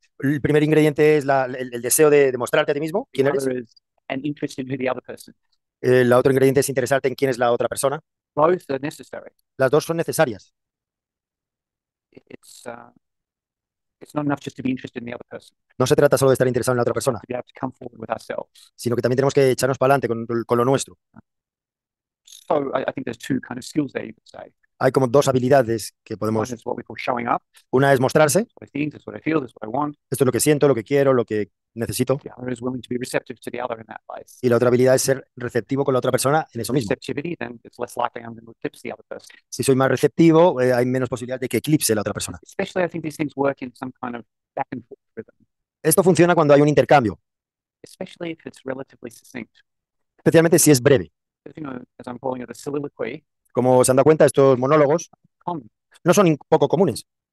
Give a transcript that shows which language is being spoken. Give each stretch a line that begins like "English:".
Spanish: El primer ingrediente es el deseo de demostrarte a ti mismo quién eres.
English: The other is an interest in who the other person.
Spanish: El otro ingrediente es interesarte en quién es la otra persona.
English: Both are necessary.
Spanish: Las dos son necesarias.
English: It's not enough just to be interested in the other person.
Spanish: No se trata solo de estar interesado en la otra persona,
English: we have to come forward with ourselves.
Spanish: Sino que también tenemos que echarnos para adelante con lo nuestro.
English: So I think there's two kind of skills there, you could say.
Spanish: Hay como dos habilidades que podemos.
English: One is what we call showing up.
Spanish: Una es mostrarse.
English: What I think, that's what I feel, that's what I want.
Spanish: Esto es lo que siento, lo que quiero, lo que necesito.
English: The other is willing to be receptive to the other in that place.
Spanish: Y la otra habilidad es ser receptivo con la otra persona en eso mismo.
English: Receptivity, then it's less likely I'm going to eclipse the other person.
Spanish: Si soy más receptivo, hay menos posibilidad de que eclipse la otra persona.
English: Especially, I think these things work in some kind of back and forth rhythm.
Spanish: Esto funciona cuando hay un intercambio.
English: Especially if it's relatively succinct.
Spanish: Especialmente si es breve.
English: As you know, as I'm calling it, a soliloquy.
Spanish: Como se han dado cuenta, estos monólogos no son poco comunes.